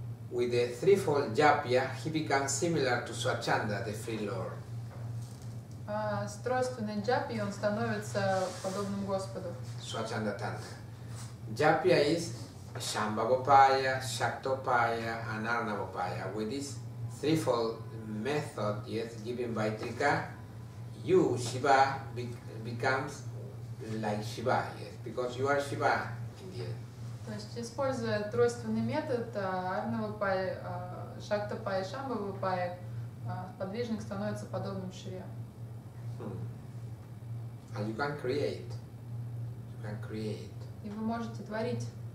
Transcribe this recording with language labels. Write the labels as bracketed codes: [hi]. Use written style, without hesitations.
[en] With the threefold japya, he becomes similar to Swachanda, the free lord. [ru] С тройственной джапи он становится подобным Господу. [en] Swachanda Tantra. Japya is Shambhavopaya, Shaktopaya, and Arnavopaya. With this threefold method, yes, given by Trika, you, Shiva, becomes like Shiva, yes, because you are Shiva in the end. [ru] То есть, используя тройственный метод Арнавапая, Шактапая, Шамбавапая, подвижник становится подобным Шиве. [en] And you can create. You can create. [ru] И вы можете творить.